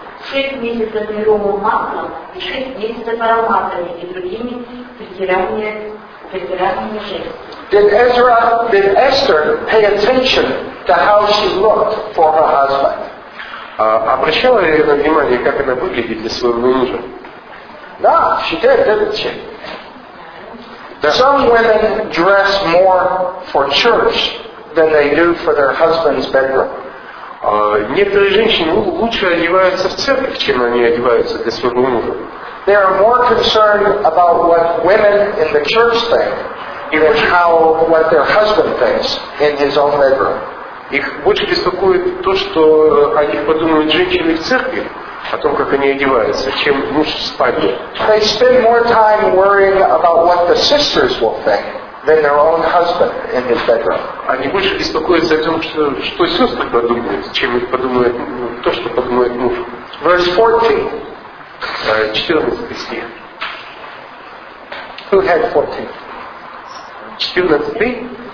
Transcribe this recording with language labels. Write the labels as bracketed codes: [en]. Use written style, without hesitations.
[ru] Шесть месяцев мирового масла и шесть месяцев ароматами и другими притираниями жертвы. [en] Did Esther pay attention to how she looked for her husband? [ru] Обращала ли она внимание, как она выглядит для своего мужа? Да, [en] she did, didn't she? Some women dress more for church than they do for their husband's bedroom. [ru] Некоторые женщины лучше одеваются в церковь, чем они одеваются для своего мужа. [en] They are more concerned about what women in the church think than how what their husband thinks in his own bedroom. [ru] Их больше беспокоит то, что о них подумают женщины в церкви, о том, как они одеваются, чем муж в спальне. [en] They spend more time worrying about what the sisters will think than their own husband in his bedroom. [ru] Они больше беспокоятся о том, что сестры подумают, чем их подумает, то, что подумает муж. [en] Verse 14. [ru] 14 стих. [en] Who had 14? 14.